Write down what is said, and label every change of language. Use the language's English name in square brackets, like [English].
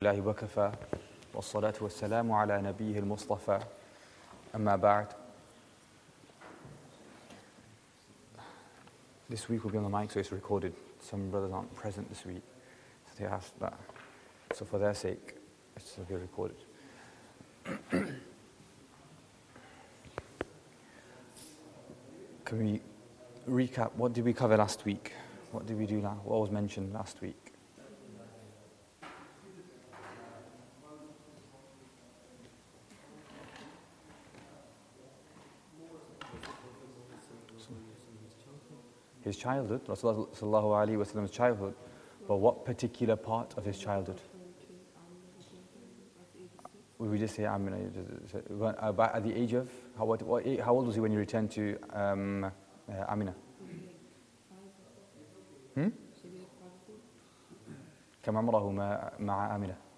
[Arabic] الله وكفى والصلاة والسلام على نبيه المصطفى أما بعد. [English] This week we'll be on the mic so it's recorded. Some brothers aren't present this week, so they asked that. So for their sake, it's to be recorded. Can we recap? What did we cover last week? What did we do last? What was mentioned last week? His childhood, Rasulullah ﷺ's childhood, but what particular part of his childhood? Would we just say Amina? About at the age of how old was he when you returned to Amina? [Arabic] كم عمره مع Amina?